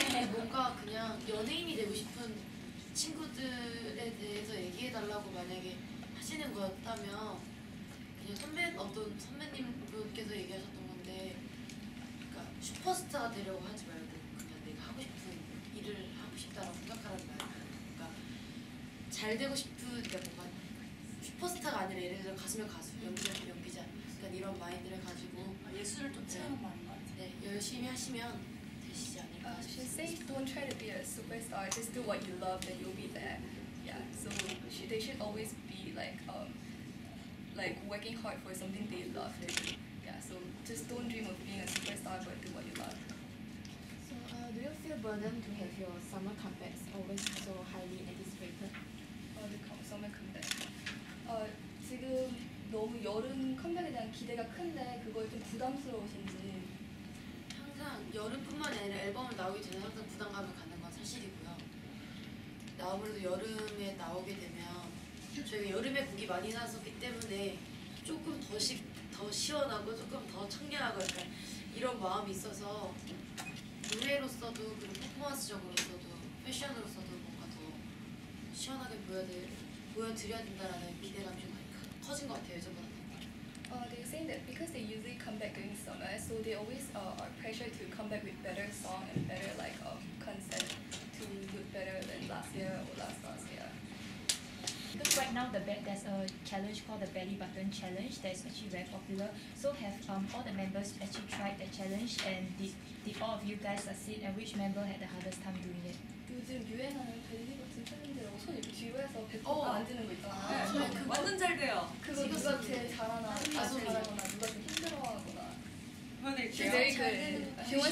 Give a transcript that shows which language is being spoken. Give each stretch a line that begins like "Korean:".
Korean: 뭔가 그냥 연예인이 되고 싶은 친구들에 대해서 얘기해달라고 만약에 하시는 거였다면 그냥 어떤 선배님분께서 얘기하셨던 건데 그러니까 슈퍼스타가 되려고 하지 말고 그냥 내가 하고 싶은 일을 하고 싶다라고 생각하라는 말이야. 그러니까 잘 되고 싶은 게 뭔가 슈퍼스타가 아니라 예를 들어 가수면 가수, 연기자면 연기자 이런 마인드를 가지고 예술을 또 채우는 마인드. 네, 열심히 하시면 되시지 않을까.
English: She says, "Don't try to be a superstar. Just do what you love, and you'll be there." Yeah. So she, they should always be like working hard for something they love. Maybe. Yeah. So just don't dream of being a superstar, but do what you love. So, do you feel burdened to have your summer comebacks always so highly anticipated? The summer comeback.
Korean: 지금 너무 여름 컴백에 대한 기대가 큰데 그거에 좀 부담스러우신지. 항상 여름뿐만 아니라 앨범을 나오기 전에 항상 부담감을 갖는 건 사실이고요. 아무래도 여름에 나오게 되면 저희가 여름에 곡이 많이 나왔기 때문에 조금 더 시원하고 조금 더 청량하고 약간 이런 마음이 있어서 노래로서도 그리고 퍼포먼스적으로서도 패션으로서도 뭔가 더 시원하게 보여드려야 된다라는 기대감이 좀 커진 것 같아요, 예전보다.
English: They were saying that because they usually come back during summer, so they always are pressured to come back with better song and better like concept to look better than last year or last year. Because right now there's a challenge called the belly button challenge that's actually very popular. So have all the members actually tried that challenge and did all of you guys succeed? And which member had the hardest time doing it?
Korean: 요즘 유행하는 벨리 버튼 챌린지라고 손 이렇게 뒤로해서 배꼽 안 드는 거 있잖아요. 네, 그거 완전 잘 돼요. 그거 누가 제일 잘하나, 누가 제일 잘하거나, 누가 좀 힘들어하거나. 보내줄게요. 제일 잘 되는 거.